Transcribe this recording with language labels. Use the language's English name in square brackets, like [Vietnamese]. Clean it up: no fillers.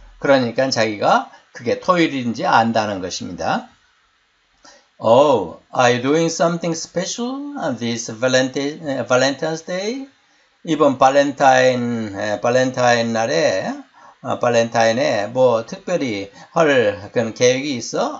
[Korean] 그러니까 자기가 그게 토요일인지 안다는 것입니다. [English] Oh, are you doing something special on this Valentine's Day? [Korean] 이번 발렌타인 날에, 발렌타인에 뭐 특별히 할 그런 계획이 있어?